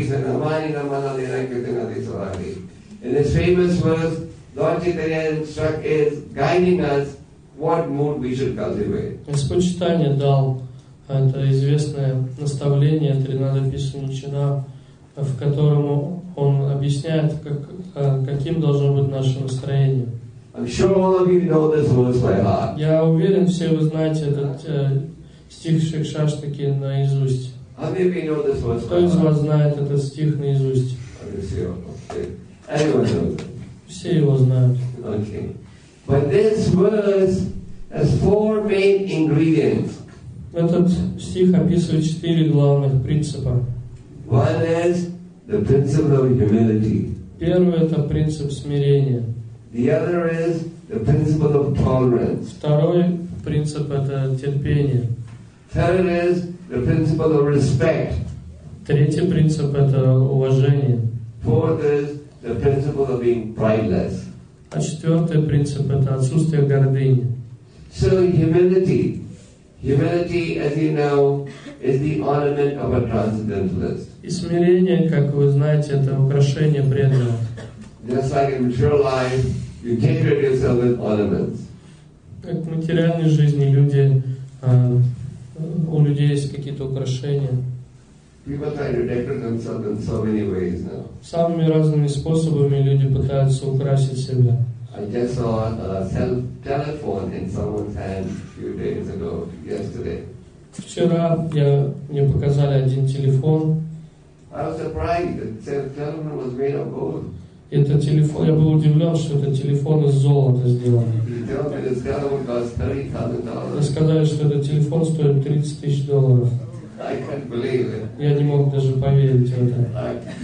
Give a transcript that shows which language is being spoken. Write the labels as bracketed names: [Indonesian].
[English] In this famous verse, Lord Chaitanya is guiding us what mood we should cultivate. [Russian] Господь Читания дал это известное наставление Тринада Писа Ничина, в котором он объясняет, каким должно быть наше настроение. [English] I'm sure all of you know this verse by heart. [Russian] Я уверен, все вы знаете этот стих Шикшаштаки наизусть. [English] How many of you know this verse? [Russian] Кто из вас знает этот стих наизусть? [English] Okay. Everyone knows. [Russian] Все его знают. [English] Okay. But this verse has four main ingredients. [Russian] Этот стих описывает четыре главных принципа. [English] One is the principle of humility. [Russian] Первый — это принцип смирения. [English] The other is the principle of tolerance. [Russian] Второй принцип — это терпение. [English] Third is the principle of respect. [Russian] Третий принцип — это уважение. [English] Fourth is the principle of being prideless. [Russian] А четвертый принцип — это отсутствие гордыни. [English] So humility. Humility, as you know, is the ornament of a transcendentalist. [Russian] И смирение, как вы знаете, это украшение преданного. [English] Just like in material life, you decorate yourself with ornaments. [Russian] Как в материальной жизни люди у людей есть какие-то украшения. [English] People try to decorate themselves in so many ways now. [Russian] Самыми разными способами люди пытаются украсить себя. [English] I just saw a cell telephone in someone's hand a few days ago, yesterday. [Russian] Вчера мне показали один телефон. [English] I was surprised that cell telephone was made of gold. [Russian] Это телефон. Я был удивлен, что это телефон из золота сделан. Мне сказали, что этот телефон стоит 30 тысяч долларов. [English] I can't believe it. [Russian] Я не мог даже поверить в это.